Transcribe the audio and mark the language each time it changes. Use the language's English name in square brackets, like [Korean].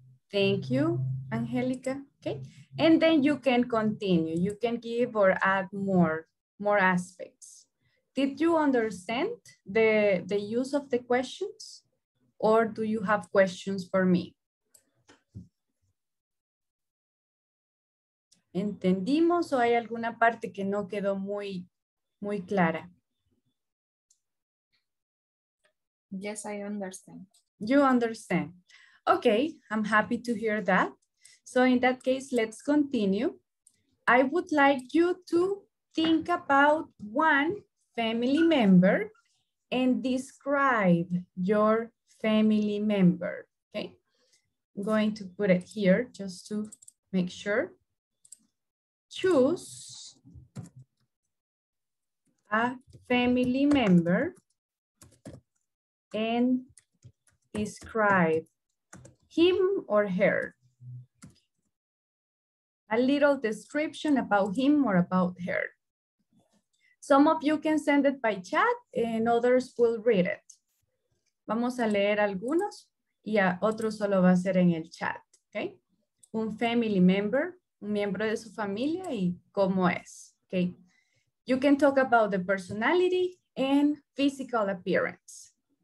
[English] Thank you, Angelica. Okay. And then you can continue. You can give or add more aspects. Did you understand the use of the questions, or do you have questions for me? [Spanish] ¿Entendimos o hay alguna parte que no quedó muy, muy clara? [English] Yes, I understand. You understand. Okay, I'm happy to hear that. So in that case, let's continue. I would like you to think about one family member and describe your family member. Okay, I'm going to put it here just to make sure. Choose a family member and describe him or her. A little description about him or about her. Some of you can send it by chat and others will read it. [Spanish] Vamos a leer algunos y a otros solo va a ser en el chat, okay? Un family member, un miembro de su familia y cómo es, okay? [English] You can talk about the personality and physical appearance.